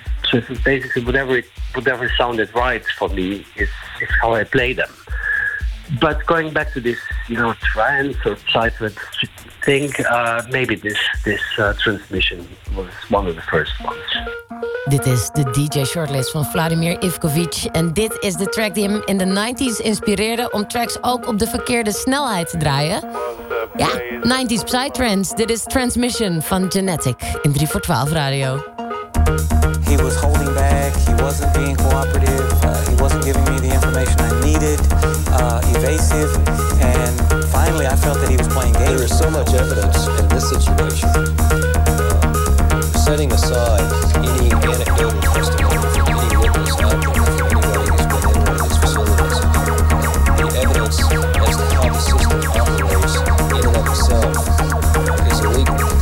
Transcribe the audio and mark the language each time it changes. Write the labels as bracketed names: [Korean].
[English] So it's basically whatever sounded right for me is how I play them. But going back to this, you know, trance or psytrance thing, maybe this transmission was one of the first ones. [Dutch] Dit is de DJ shortlist van Vladimir Ivkovic. En dit is de track die hem in de 90s inspireerde om tracks ook op de verkeerde snelheid te draaien. Ja, 90s psytrance. Dit is Transmission van Genetic in 3 voor 12 Radio. [English] He was holding back, he wasn't being cooperative, he wasn't giving me the information I needed, evasive, and finally I felt that he was playing games. There is so much evidence in this situation, setting aside any anecdotal testimony from any witness, not from anybody who's been in one of these facilities, the evidence as to how the system operates in and of itself is illegal.